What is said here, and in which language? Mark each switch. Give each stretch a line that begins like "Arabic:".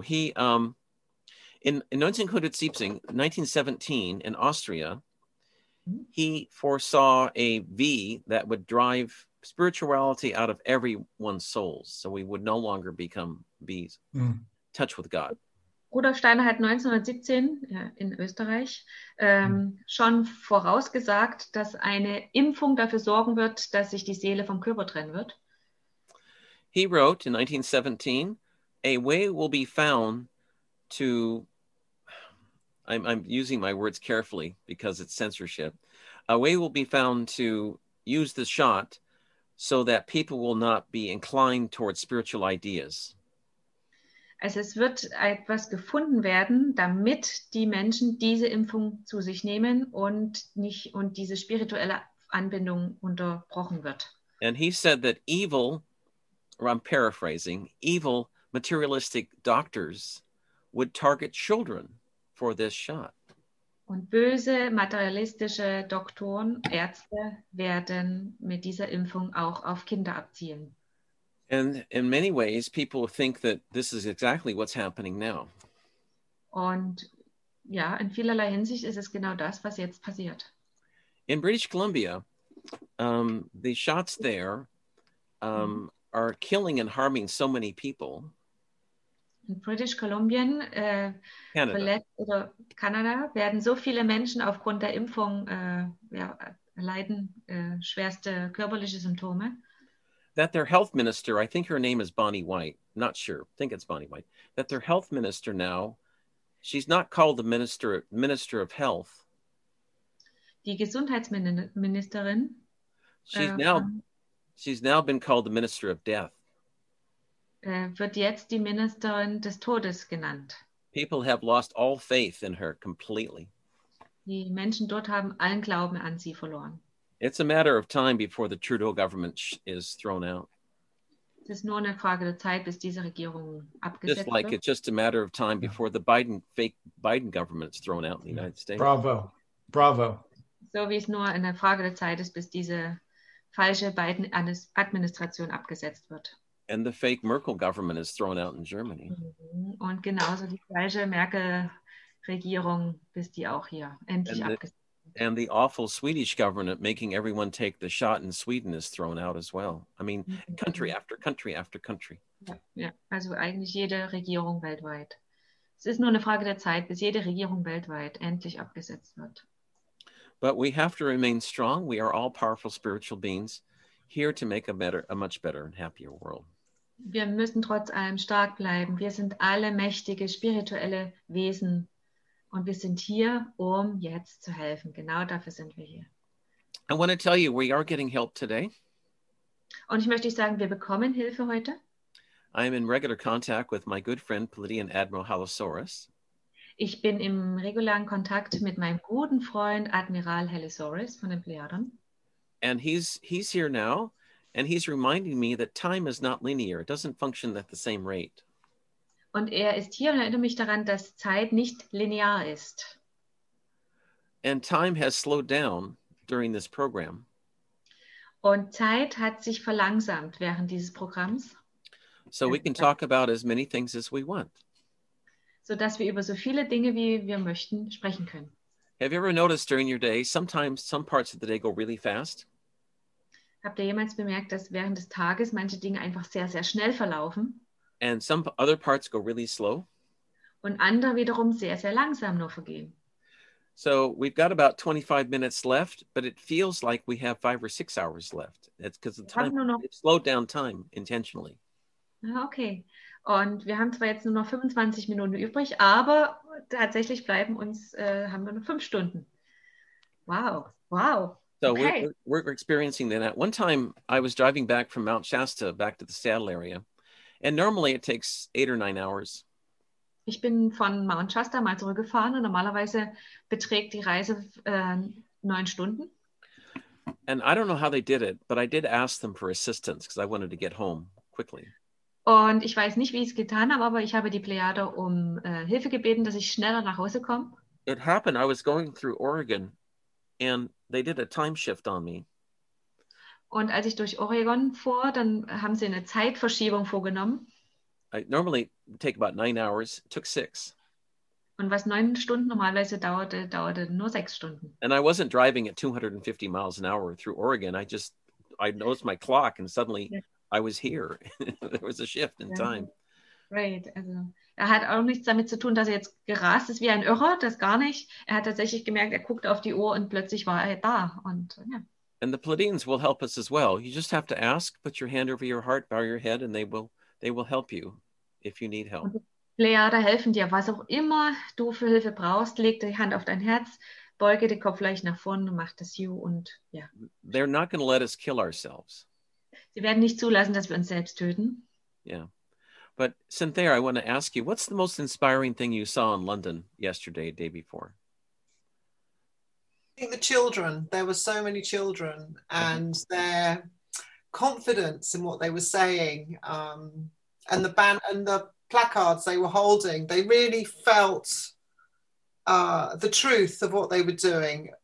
English: He, in 1917, in Austria, he foresaw a V that would drive spirituality out of everyone's souls. So we would no longer become bees, touch with God.
German: Rudolf Steiner hat 1917 in Österreich schon vorausgesagt, dass eine Impfung dafür sorgen wird, dass sich die Seele vom Körper trennen wird.
English: He wrote in 1917, a way will be found to, I'm using my words carefully because it's censorship, a way will be found to use the shot so that people will not be inclined towards spiritual ideas.
German: Also es wird etwas gefunden werden, damit die Menschen diese Impfung zu sich nehmen und nicht und diese spirituelle Anbindung unterbrochen wird.
English: And he said that evil, or I'm paraphrasing, evil materialistic doctors would target children for this shot.
German: Und böse materialistische Doktoren, Ärzte werden mit dieser Impfung auch auf Kinder abzielen.
English: And in many ways, people think that this is exactly what's happening now.
German: Und ja, in vielerlei Hinsicht ist es genau das, was jetzt passiert.
English: In British Columbia, the shots there are killing and harming so many people.
German: In British Columbia, Kanada, werden so viele Menschen aufgrund der Impfung leiden schwerste körperliche Symptome.
English: That their health minister, I think her name is Bonnie White, not sure, I think it's Bonnie White, that their health minister now, she's not called the minister of health.
German: Die Gesundheitsministerin.
English: She's now been called the minister of death.
German: Wird jetzt die Ministerin des Todes genannt.
English: People have lost all faith in her completely.
German: Die Menschen dort haben allen Glauben an sie verloren.
English: It's a matter of time before the Trudeau government is thrown out.
German: Es ist nur eine Frage der Zeit, bis diese Regierung abgesetzt
English: just like
German: wird.
English: It's just a matter of time before the fake Biden government is thrown out in the United States. Bravo. Bravo.
German: So wie es nur eine Frage der Zeit ist, bis diese falsche Biden-Administration abgesetzt wird.
English: And the fake Merkel government is thrown out in Germany.
German: Und genauso die falsche Merkel-Regierung, bis die auch hier endlich abgesetzt wird.
English: And the awful Swedish government making everyone take the shot in Sweden is thrown out as well. I mean, country after country after country.
German: Ja, also eigentlich jede Regierung weltweit. Es ist nur eine Frage der Zeit, bis jede Regierung weltweit endlich abgesetzt wird.
English: But we have to remain strong. We are all powerful spiritual beings here to make a much better and happier world.
German: Wir müssen trotz allem stark bleiben. Wir sind alle mächtige spirituelle Wesen. Und wir sind hier, um jetzt zu helfen. Genau dafür sind wir hier.
English: I want to tell you, we are getting help today.
German: Und ich möchte sagen, wir bekommen Hilfe heute.
English: I am in regular contact with my good friend, Palladian Admiral Halosaurus.
German: Ich bin im regulären Kontakt mit meinem guten Freund, Admiral Halosaurus von den Plejaden.
English: And he's here now, and he's reminding me that time is not linear. It doesn't function at the same rate.
German: Und er ist hier und erinnert mich daran, dass Zeit nicht linear ist.
English: And time has slowed down during this program.
German: Und Zeit hat sich verlangsamt während dieses Programms.
English: So we can talk about as many things as we want.
German: sodass wir über so viele Dinge, wie wir möchten, sprechen können.
English: Have you ever noticed during your day, sometimes some parts of the day go really fast?
German: Habt ihr jemals bemerkt, dass während des Tages manche Dinge einfach sehr, sehr schnell verlaufen?
English: And some other parts go really slow?
German: Und andere wiederum sehr, sehr langsam nur vergehen.
English: So we've got about 25 minutes left, but it feels like we have 5 or 6 hours left. That's because the time, it slowed down time intentionally. Okay.
German: Und wir haben zwar jetzt nur noch 25 Minuten übrig, aber tatsächlich bleiben uns, haben wir nur 5 Stunden. Wow. Wow.
English: So okay. we're experiencing that. At one time, I was driving back from Mount Shasta back to the Seattle area. And normally it takes 8 or 9 hours.
German: Ich bin von Mount Shasta mal zurückgefahren und normalerweise beträgt die Reise 9 Stunden.
English: And I don't know how they did it, but I did ask them for assistance because I wanted to get home quickly.
German: Und ich weiß nicht, wie ich es getan habe, aber ich habe die Plejade um Hilfe gebeten, dass ich schneller nach Hause komme.
English: It happened, I was going through Oregon and they did a time shift on me.
German: Und als ich durch Oregon fuhr, dann haben sie eine Zeitverschiebung vorgenommen.
English: I normally take about 9 hours, took 6.
German: Und was 9 Stunden normalerweise dauerte, dauerte nur 6 Stunden.
English: And I wasn't driving at 250 miles an hour through Oregon. I noticed my clock and suddenly I was here. There was a shift in time. Right.
German: Also, er hat auch nichts damit zu tun, dass er jetzt gerast ist wie ein Irrer, das gar nicht. Er hat tatsächlich gemerkt, er guckte auf die Uhr und plötzlich war er da. Und
English: And the Pleiadians will help us as well. You just have to ask, put your hand over your heart, bow your head, and they will help you if you need help.
German: Pleiade helfen dir, was auch immer du für Hilfe brauchst. Leg die Hand auf dein Herz, beuge den Kopf leicht nach vorne, mach das you und ja.
English: They're not going to let us kill ourselves.
German: Sie werden nicht zulassen, dass wir uns selbst töten.
English: Yeah. But Cynthia, I want to ask you, what's the most inspiring thing you saw in London yesterday, day before? I think the children, there were so many children and their confidence in what they were saying and the band and the placards they were holding, they really felt the truth of what they were doing.